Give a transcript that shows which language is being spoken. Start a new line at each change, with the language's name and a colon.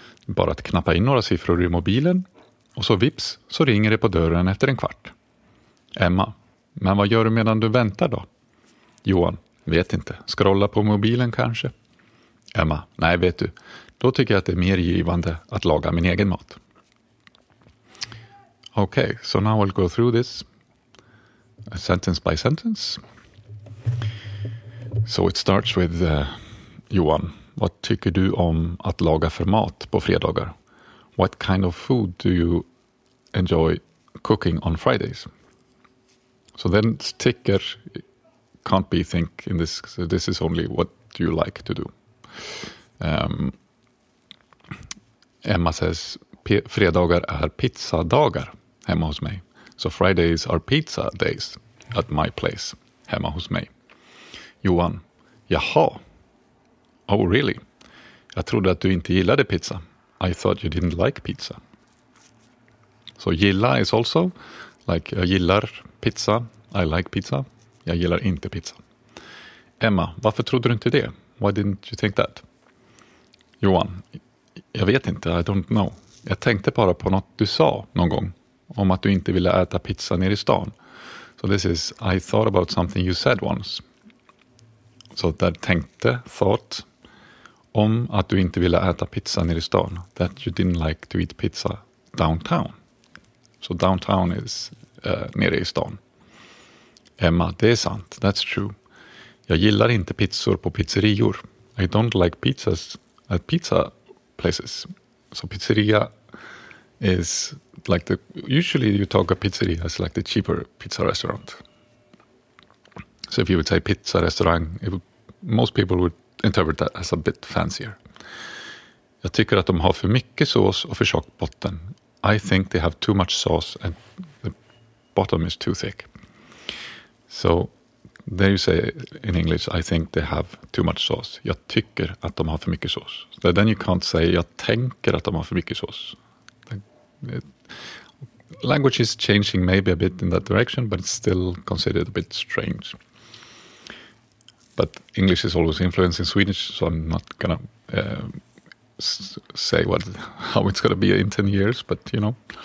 Swedish: Bara att knappa in några siffror i mobilen. Och så vips så ringer det på dörren efter en kvart. Emma: Men vad gör du medan du väntar då? Johan: Vet inte. Scrolla på mobilen kanske? Emma: Nej, vet du. Då tycker jag att det är mer givande att laga min egen mat.
English: Okay, so now we'll go through this sentence by sentence. So it starts with
Swedish: Johan: Vad tycker du om att laga för mat på fredagar?
English: What kind of food do you enjoy cooking on Fridays? So then ticker can't be think in this, so this is only what you like to do. Emma says,
Swedish: fredagar är pizzadagar hemma hos mig.
English: So Fridays are pizza days at my place,
Swedish: hemma hos mig. Johan: Jaha.
English: Oh really?
Swedish: Jag trodde att du inte gillade pizza.
English: I thought you didn't like pizza. So gilla is also like
Swedish: jag gillar pizza.
English: I like pizza.
Swedish: Jag gillar inte pizza. Emma: Varför trodde du inte det?
English: Why didn't you think that?
Swedish: Johan: Jag vet inte.
English: I don't know.
Swedish: Jag tänkte bara på något du sa någon gång om att du inte ville äta pizza nere i stan.
English: So this is, I thought about something you said once. So that
Swedish: tänkte, thought, om att du inte ville äta pizza nere i stan.
English: That you didn't like to eat pizza downtown. So downtown is
Swedish: nere i stan. Emma: Det är sant.
English: That's true.
Swedish: Jag gillar inte pizzor på pizzerior.
English: I don't like pizzas at pizza places. So pizzeria is like the, usually you talk of pizzeria as like the cheaper pizza restaurant. So if you would say pizza restaurant, it would, most people would interpret that as a bit fancier.
Swedish: Jag tycker att de har för mycket sås och för tjock botten.
English: I think they have too much sauce and the bottom is too thick. So there you say in English, I think they have too much sauce.
Swedish: Jag tycker att de har för mycket sås.
English: So then you can't say,
Swedish: jag tänker att de har för mycket sås.
English: Language is changing maybe a bit in that direction, but it's still considered a bit strange. But English is always influencing Swedish, so I'm not gonna say how it's gonna be in 10 years, but you know.